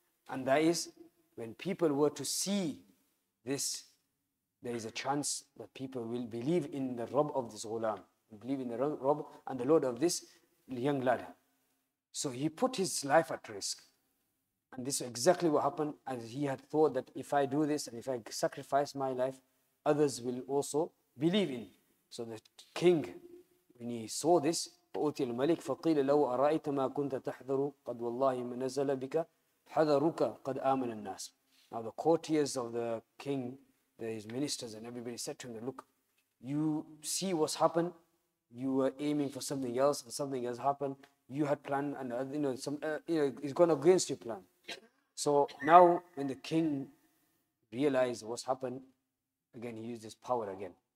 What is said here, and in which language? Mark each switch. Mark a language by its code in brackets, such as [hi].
[en] And that is, when people were to see this, there is a chance that people will believe in the Rabb of this ghulam. Believe in the Rabb and the Lord of this young lad. So he put his life at risk. And this is exactly what happened, as he had thought that if I do this and if I sacrifice my life, others will also believe in. So the king, when he saw this, [ar] فَأُوتِيَ الْمَلِكِ فَقِيلَ لَوْ أَرَأَيْتَ مَا كُنْتَ تَحْذَرُ قَدْ وَاللَّهِ مَنَزَلَ بِكَ حَذَرُكَ قَدْ آمَنَ النَّاسِ. [en] Now the courtiers of the king, his ministers and everybody said to him, look, you see what's happened, you were aiming for something else and something has happened, you had planned and it's gone against your plan. So now when the king realized what's happened, again he used his power again.